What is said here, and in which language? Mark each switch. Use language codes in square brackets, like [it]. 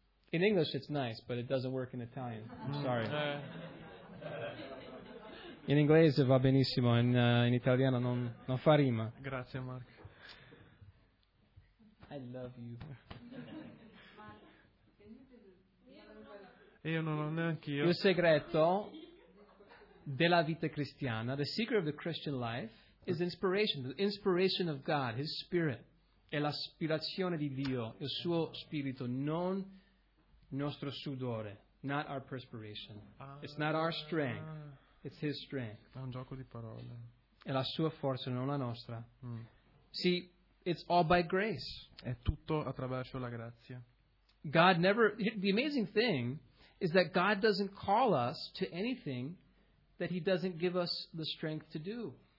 [en] In English it's nice, but it doesn't work in Italian. I'm sorry. [it] In inglese va benissimo, in italiano non fa rima. Grazie, Mark. [en] I love you. [it] Io non ho neanche io. Il segreto della vita cristiana, [en] the secret of the Christian life, is inspiration. The inspiration of God, His Spirit, [it] è l'aspirazione di Dio, il suo spirito, non nostro sudore, [en] not our perspiration. It's not our strength. It's His strength. [it] È un gioco di parole. È la sua forza, non la nostra. [en] See, it's all by grace. [it] È tutto attraverso la grazia. [en] God never. The amazing thing is that God doesn't call us to anything that He doesn't give us the strength to do.